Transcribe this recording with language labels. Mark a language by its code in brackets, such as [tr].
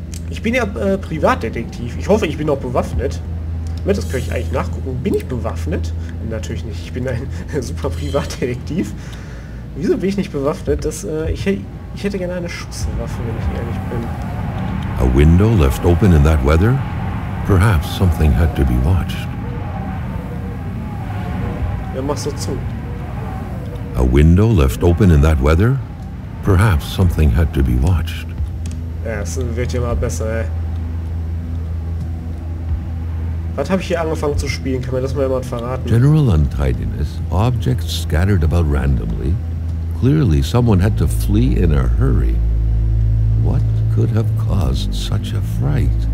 [de] Ich bin ja Privatdetektiv. Ich hoffe, ich bin auch bewaffnet. Das könnte ich eigentlich nachgucken. Bin ich bewaffnet? Natürlich nicht. Ich bin ein super Privatdetektiv. Wieso bin ich nicht bewaffnet? Das, ich hätte gerne eine Schusswaffe, wenn ich ehrlich bin. [en] A window left open in that weather? Perhaps something had to be watched. [de] Ja, mach so zu. [en] A window left open in that weather? Perhaps something had to be watched. [de] Ja, es wird ja mal besser, ey. Was habe ich hier angefangen zu spielen? Kann mir das mal jemand verraten? [en] General untidiness, objects scattered about randomly. Clearly someone had to flee in a hurry. What could have caused such a fright?